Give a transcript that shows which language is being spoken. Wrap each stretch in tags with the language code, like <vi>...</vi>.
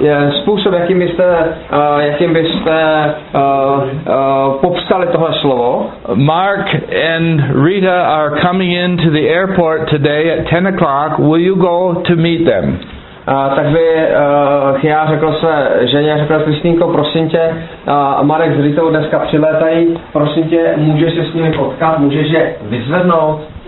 <cs>Způsob, jakým byste popsali tohle slovo.</cs> <en>Mark and Rita are coming into the airport today at 10 o'clock. Will you go to meet them?</en> <cs>Tak by já řekl se ženě, řekl se Kristýnko, prosím tě, Marek s Ritou dneska přilétají, prosím tě, můžeš se s nimi potkat, můžeš je vyzvednout.</cs>